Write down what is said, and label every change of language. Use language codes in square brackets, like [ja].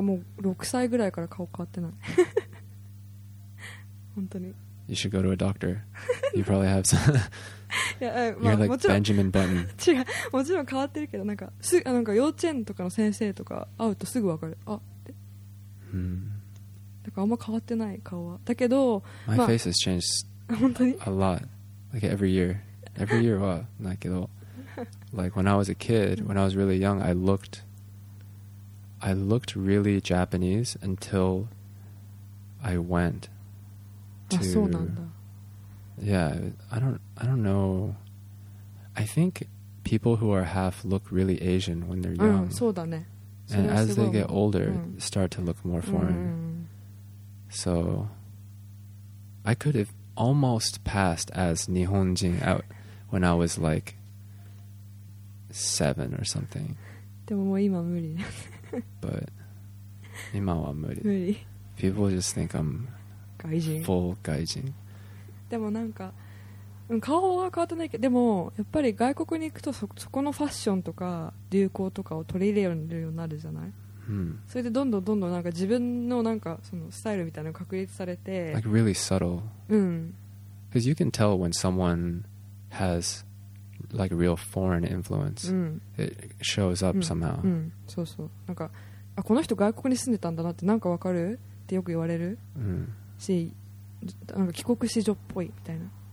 [ja] もう 6 歳 ぐらい から 顔 変わ ってない 本当に [en] You should go to a doctor. You probably have some You're like Benjamin Button. [ja] 違う もちろん 変わ ってる けど なんか なんか 幼稚 園 とか の 先生 とか 会 う と すぐ 分 かる あ って だから あんま 変 わ ってない 顔 は だけど [en] My face has changed [ja] 本当に [en] A lot. Like every year. Every year [ja] は ないけど [en] Like when I was a kid, when I was really young, I looked really Japanese until I went to. Yeah, I don't know. I think people who are half look really Asian when they're young. And as they get older, start to look more foreign. So I could have almost passed as Nihonjin out when I was like. 7 or something. But [ja] 今は無理. [en] People just think I'm [ja] 外人. Full 外人. でもなんか顔は変わってないけど、でもやっぱり外国に行くとそこのファッションとか流行とかを取り入れるようになるじゃない? それでどんどんどんどんなんか自分のなんかそのスタイルみたいなのが確立されて [en] Like really subtle. Because you can tell when someone has like real foreign influence. It shows up somehow. [ja] そうそう。なんか、あ、この人外国に住んでたんだなってなんかわかるってよく言われる? なんか帰国子女っぽいみたいな。